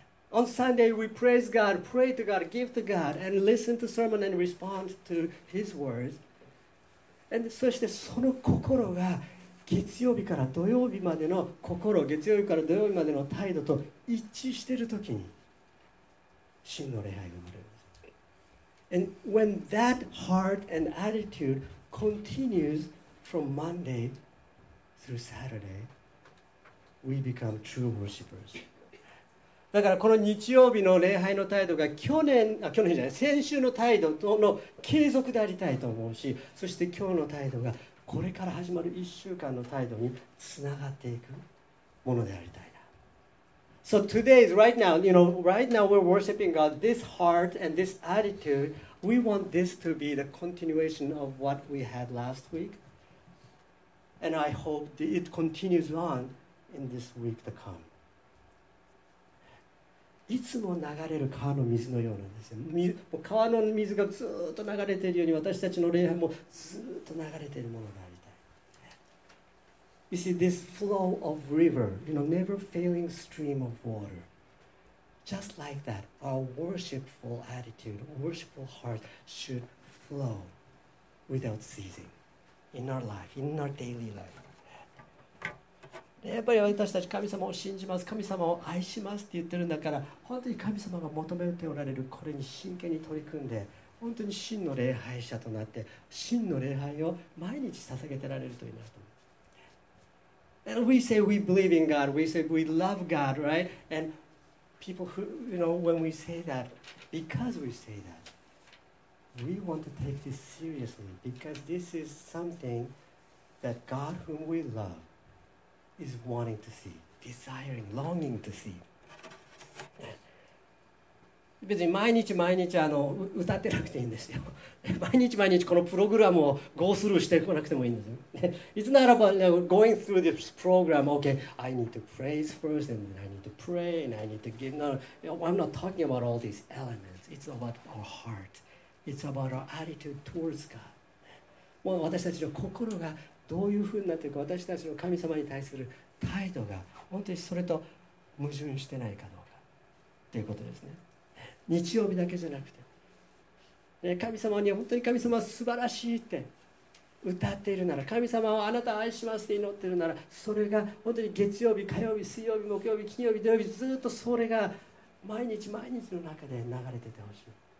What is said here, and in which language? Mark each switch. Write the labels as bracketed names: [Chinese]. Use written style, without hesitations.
[English] On Sunday we praise God, pray to God, give to God and listen to sermon and respond to His words and [Japanese] そしてその心が月曜日から土曜日までの心月曜日から土曜日までの態度と一致している時に真の礼拝が生まれる [English] And when that heart and attitude continues from Monday through Saturday, we become true worshipers. [Japanese] だからこの日曜日の礼拝の態度が先週の態度との継続でありたいと思うし、そして今日の態度がこれから始まる1週間の態度につながっていくものでありたい。 [English] So today is right now, you know, right now we're worshiping God, this heart and this attitude, we want this to be the continuation of what we had last week. And I hope that it continues on in this week to come. [Japanese] いつも流れる川の水のようなんですよ。川の水がずっと流れているように私たちの礼拝もずっと流れているものがある。 [English] You see, this flow of river, you know, never-failing stream of water. Just like that, our worshipful attitude, worshipful heart should flow without ceasing in our life, in our daily life. [Japanese] やっぱり私たち神様を信じます、神様を愛しますって言ってるんだから、本当に神様が求めておられるこれに真剣に取り組んで、本当に真の礼拝者となって、真の礼拝を毎日捧げてられるといいなと。 [English] And we say we believe in God. We say we love God, right? And people who, you know, when we say that, because we say that, we want to take this seriously because this is something that God, whom we love, is wanting to see, desiring, longing to see. [Japanese] 別に毎日毎日歌ってなくていいんですよ。毎日毎日このプログラムをゴースルーしてこなくてもいいんですよ。 [English] It's not about going through this program. Okay, I need to praise first and then I need to pray and I need to give. No, I'm not talking about all these elements. It's about our heart. It's about our attitude towards God. [Japanese] もう私たちの心がどういうふうになっているか、私たちの神様に対する態度が本当にそれと矛盾してないかどうかということですね。日曜日だけじゃなくて神様に本当に神様は素晴らしいって歌っているなら神様をあなた愛しますって祈っているならそれが本当に月曜日火曜日水曜日木曜日金曜日土曜日ずっとそれが毎日毎日の中で流れててほしい